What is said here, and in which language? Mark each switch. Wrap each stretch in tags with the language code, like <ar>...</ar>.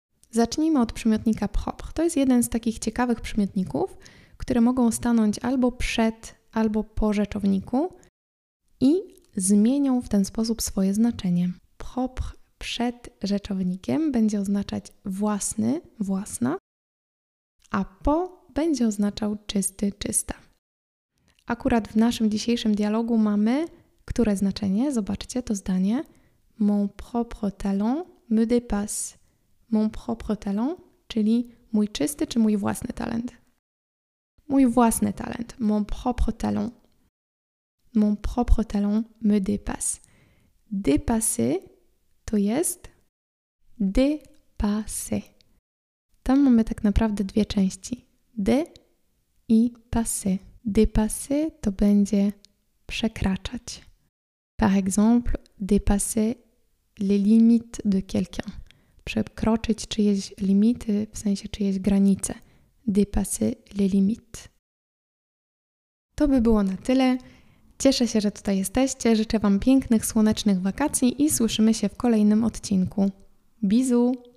<pl>Zacznijmy od przymiotnika propre. To jest jeden z takich ciekawych przymiotników, które mogą stanąć albo przed, albo po rzeczowniku i zmienią w ten sposób swoje znaczenie. Propre przed rzeczownikiem będzie oznaczać własny, własna, a po będzie oznaczał czysty, czysta. Akurat w naszym dzisiejszym dialogu mamy które znaczenie? Zobaczcie to zdanie.</pl> <fr>Mon propre talent me dépasse. Mon propre talent,</fr> <pl>czyli mój czysty czy mój własny talent? Mój własny talent.</pl> <fr>Mon propre talent. Mon propre talent me dépasse.</fr> <pl>Dépasser to jest dépasser. Tam mamy tak naprawdę dwie części. De i passer. Dépasser to będzie przekraczać.</pl> <fr>Par exemple, dépasser les limites de quelqu'un.</fr> <pl>Przekroczyć czyjeś limity, w sensie czyjeś granice.</pl> <fr>Dépasser les limites.</fr> <pl>To by było na tyle. Cieszę się, że tutaj jesteście. Życzę Wam pięknych, słonecznych wakacji i słyszymy się w kolejnym odcinku. Bisous!</pl>